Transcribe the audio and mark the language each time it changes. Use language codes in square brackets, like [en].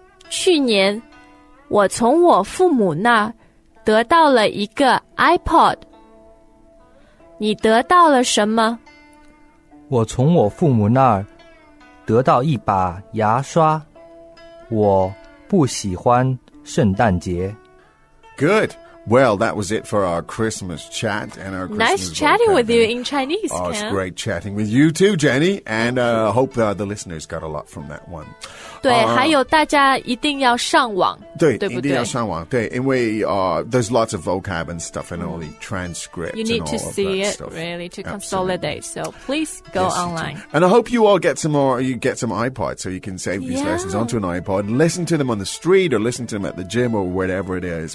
[zh] 去年，我从我父母那得到了一个 iPod。你得到了什么？我从我父母那儿得到一把牙刷。我不喜欢圣诞节。 [en] Good. Well, that was it for our Christmas chat and our Christmas Nice chatting with you in Chinese, Ken. Oh, it's great chatting with you too, Jenny. And I hope the listeners got a lot from that one. [zh] 对,还有大家一定要上网。对, 对不对? 一定要上网。对,因为 [en] there's lots of vocab and stuff and all the transcripts and all of that stuff. You need to see it, really, to consolidate. So please go online. And I hope you all get some more, you get some iPods so you can save these lessons onto an iPod and listen to them on the street or listen to them at the gym or whatever it is.